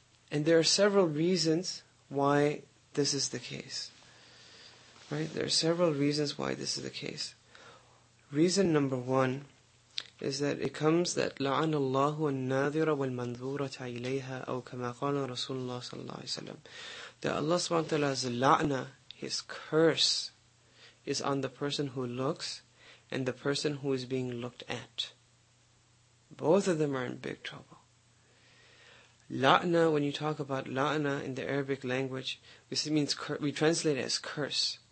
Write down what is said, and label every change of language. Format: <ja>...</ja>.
<en>And there are several reasons why this is the case. Right? There are several reasons why this is the case. Reason number one is that it comes that</en> <ar>لَعَنَ اللَّهُ النَّاذِرَ وَالْمَنْذُورَةَ إِلَيْهَا أَوْ كَمَا قَالَ رَسُولُ اللَّهِ صَلَّى اللَّهِ عَلَيْهِ وَسَلَّمَ.</ar> <en>That Allah subhanahu wa ta'ala's la'na, His curse, is on the person who looks and the person who is being looked at. Both of them are in big trouble. La'na, when you talk about la'na in the Arabic language, this means we translate it as curse.</en>